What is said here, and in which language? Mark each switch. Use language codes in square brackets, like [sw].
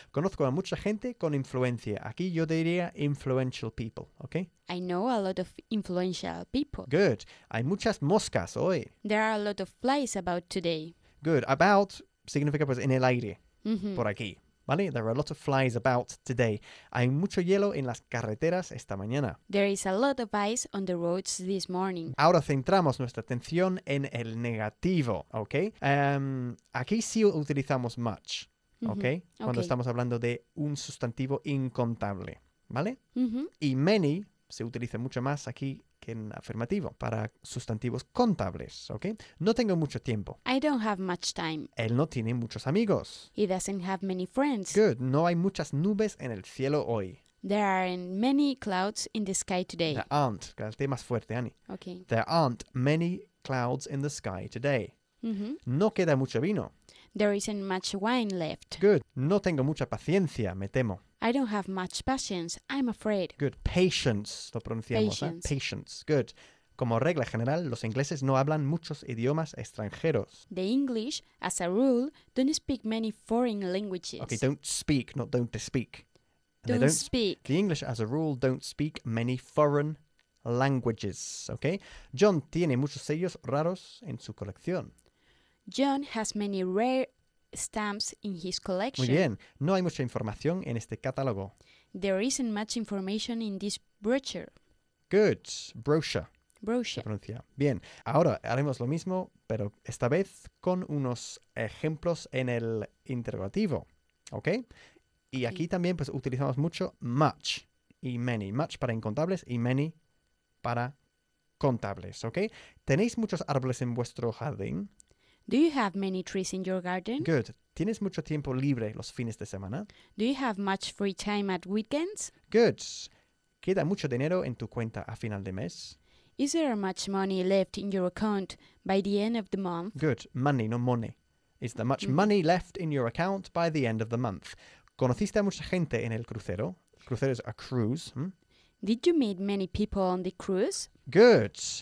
[es] Conozco a mucha gente con influencia. Aquí yo diría [en] influential people, [es] ¿ok? [en] I know a lot of influential people. [es] Good. Hay muchas moscas hoy. [en] There are a lot of flies about today. [es] Good. About significa pues en el aire, por aquí. ¿Vale? [en] There are a lot of flies about today. [es] Hay mucho hielo en las carreteras esta mañana. [en] There is a lot of ice on the roads this morning. [es] Ahora centramos nuestra atención en el negativo, ¿ok? Aquí sí utilizamos much, ¿ok? Cuando estamos hablando de un sustantivo incontable, ¿vale? Y many se utiliza mucho más aquí que en afirmativo para sustantivos contables, ¿ok? No tengo mucho tiempo. [en] I don't have much time. [es] Él no tiene muchos amigos. [en] He doesn't have many friends. Good. [es] No hay muchas nubes en el cielo hoy. [en] There aren't many clouds in the sky today. There aren't. [es] Cállate más fuerte, Annie. [en] Okay. There aren't many clouds in the sky today. [es] No queda mucho vino. [en] There isn't much wine left. [es] Good. No tengo mucha paciencia, me temo. [en] I don't have much patience, I'm afraid. [es] Good. Patience, lo pronunciamos. [en] Patience. ¿Eh? Patience, good. [es] Como regla general, los ingleses no hablan muchos idiomas extranjeros. [en] The English, as a rule, don't speak many foreign languages. Okay, don't speak, not don't to speak. Don't speak. The English, as a rule, don't speak many foreign languages, okay? [es] John tiene muchos sellos raros en su colección. [en] John has many rare stamps in his collection. [es] Muy bien. No hay mucha información en este catálogo. [en] There isn't much information in this brochure. Good. Brochure. Brochure. [es] Se pronuncia. Bien. Ahora haremos lo mismo, pero esta vez con unos ejemplos en el interrogativo. ¿Ok? Y aquí también pues utilizamos mucho much y many. Much para incontables y many para contables. ¿Ok? ¿Tenéis muchos árboles en vuestro jardín? [en] Do you have many trees in your garden? Good. [es] ¿Tienes mucho tiempo libre los fines de semana? [en] Do you have much free time at weekends? Good. [es] ¿Queda mucho dinero en tu cuenta a final de mes? [en] Is there much money left in your account by the end of the month? Good. Money, no money. Is there much money left in your account by the end of the month? [es] ¿Conociste a mucha gente en el crucero? Crucero [en] is a cruise. Did you meet many people on the cruise? Good.